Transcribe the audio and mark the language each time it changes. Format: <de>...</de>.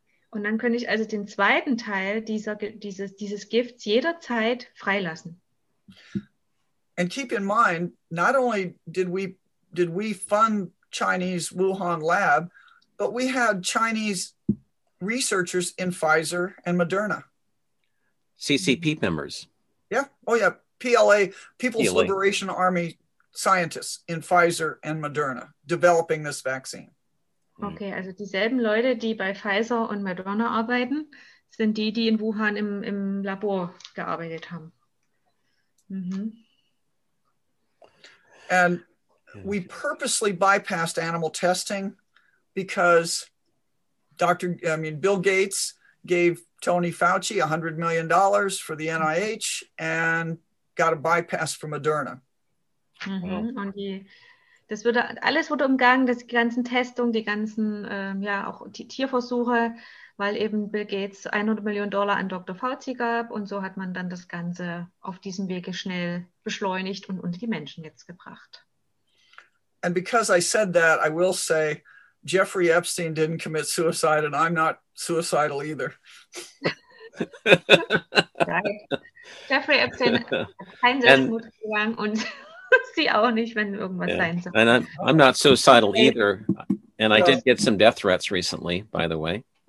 <de>Und dann könnte ich also den zweiten Teil dieses Gifts jederzeit freilassen.</de> <en>And keep in mind, not only did we fund Chinese Wuhan lab, but we had Chinese researchers in Pfizer and Moderna. CCP members. Yeah. Oh yeah. PLA, People's Liberation Army. Scientists in Pfizer and Moderna developing this vaccine.</en> <de>Okay, also dieselben Leute, die bei Pfizer und Moderna arbeiten, sind die, die in Wuhan im Labor gearbeitet haben.</de> <en>And we purposely bypassed animal testing because Bill Gates gave Tony Fauci $100 million for the NIH and got a bypass for Moderna. Mm-hmm.</en> <de>Und das wurde alles wurde umgangen, das, die ganzen Testungen, die ganzen ja auch die Tierversuche, weil eben Bill Gates</de> <en>$100 million</en> <de>an Dr. Fauci gab und so hat man dann das Ganze auf diesem Wege schnell beschleunigt und unter die Menschen jetzt gebracht.</de> <en>And because I said that, I will say Jeffrey Epstein didn't commit suicide and I'm not suicidal either.</en> <de>Jeffrey Epstein hat keinen Selbstmord gegangen und sie auch nicht, wenn irgendwas sein soll.</de> <en>And I'm not suicidal either. And I did get some death threats recently, by the way.</en>